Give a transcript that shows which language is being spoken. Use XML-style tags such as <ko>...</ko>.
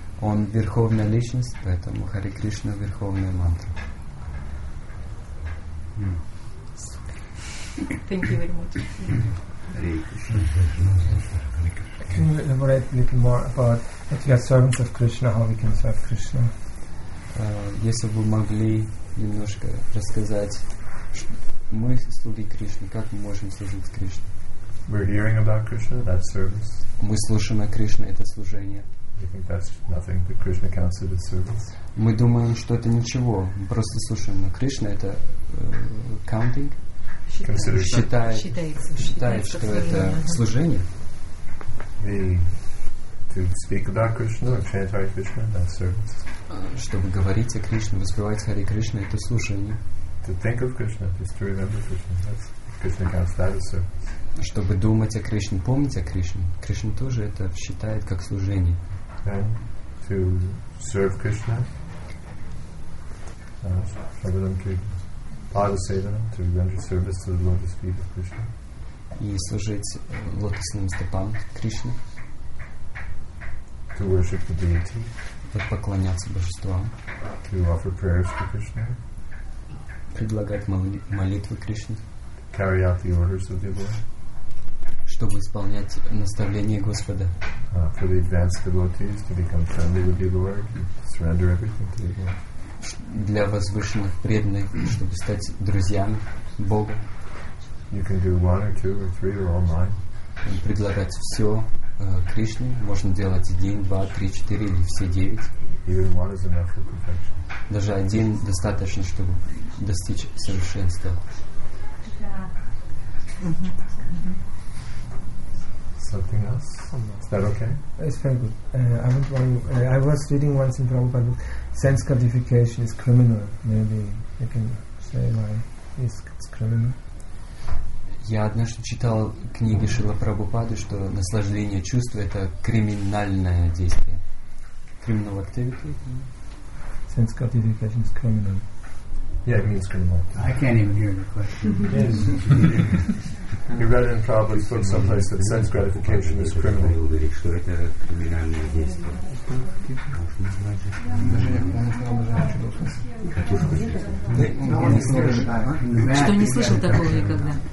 <ru>Он верховная личность, поэтому Hare Krishna верховная мантра.</ru> <en>Thank you very much. Can you elaborate a little more about if you are servants of Krishna, how we can serve Krishna?</en> <ru>Если бы могли немножко рассказать, мы слуги Кришны, как мы можем служить Кришне?</ru> <en>We're hearing about Krishna, that's service.</en> <ru>Мы слушаем о Кришне, это служение.</ru> <en>You think that's nothing that Krishna counts as service?</en> <ru>Мы думаем, что это ничего. Мы просто слушаем, но Кришна это</ru> <en>counting</en> <ru>считает, что это служение.</ru> <en>To speak about Krishna or chant Hare Krishna, that's service.</en> <ru>Чтобы говорить о Кришне, воспевать Hare Krishna, это служение.</ru> <en>To think of Krishna, just to remember Krishna, that's Krishna counts that as service.</en> <ru>Чтобы думать о Кришне, помнить о Кришне, Кришна тоже это считает как служение.</ru> <en>And to serve Krishna, to render service to the lotus feet of Krishna.</en> <ru>И служить лотосным стопам Кришны.</ru> <en>To worship the deity.</en> <ru>Поклоняться божествам.</ru> <en>To offer prayers to Krishna.</en> <ru>Предлагать молитвы Кришне.</ru> <en>Carry out the orders of the Lord.</en> <ru>Чтобы исполнять наставления Господа.</ru> <en>For the advanced devotees to become friendly with the Lord, surrender everything to the Lord.</en> <ru>Для возвышенных преданных, чтобы стать друзьями Бога.</ru> <en>You can do one or two or three or all nine.</en> <ru>Предлагать все Кришне. Можно делать один, два, три, четыре или все девять.</ru> <en>Even one is enough for perfection.</en> <ru>Даже один достаточно, чтобы достичь совершенства.</ru> <en>Something else? Is that okay? It's very good. I was reading once in Prabhupada book, sense gratification is criminal. Maybe you can say why it's criminal.</en> <ru>Я однажды читал книги Шрила Прабхупады, что наслаждение чувств это криминальное действие.</ru> <en>Criminal activity? Sense gratification is criminal. Yeah, it means criminal. I can't even hear the question. You read in Prabhupada's book someplace that sense gratification is criminal.</en> <ru>Я уверен, что это криминальное действие. Что не слышал такого никогда?</ru>